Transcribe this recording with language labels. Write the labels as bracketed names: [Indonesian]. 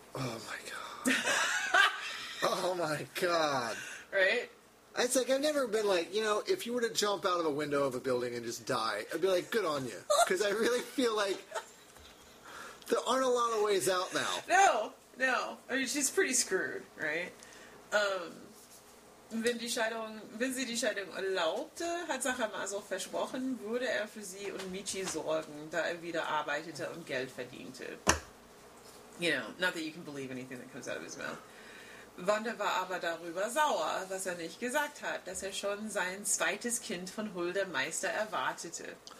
[English] Oh my God. Oh my God. Right? It's like, I've never been like, you know, if you were to jump out of a window of a building and just die, I'd be like, good on you. Because I really feel like there aren't a lot of ways out now. No. I mean, she's pretty screwed, right? [German] Wenn sie die Scheidung erlaubte, hat Sacher Maso versprochen, würde er für sie und Michi sorgen, da er wieder arbeitete und Geld verdiente. [English] You know, not that you can believe anything that comes out of his mouth. [German] Wanda war aber darüber sauer, was er nicht gesagt hat, dass er schon sein zweites Kind von Hulda Meister erwartete.